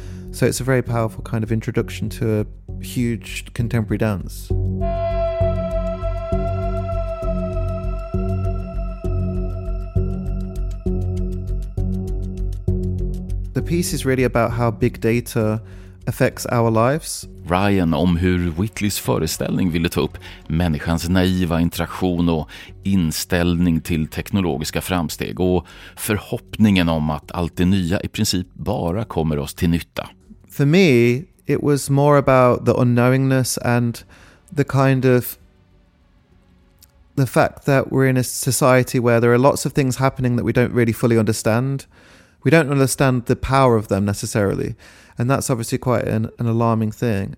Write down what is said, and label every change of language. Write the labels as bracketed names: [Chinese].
[English] So it's a very powerful kind of introduction to a huge contemporary dance. The piece is really about how big data affects our lives. [Swedish] Ryan om hur Whitleys föreställning ville ta upp människans naiva interaktion och inställning till teknologiska framsteg och förhoppningen om att allt det nya i princip bara kommer oss till nytta. [English] For me, it was more about the unknowingness and the kind of the fact that we're in a society where there are lots of things happening that we don't really fully understand. We don't understand the power of them necessarily. And that's obviously quite an alarming thing.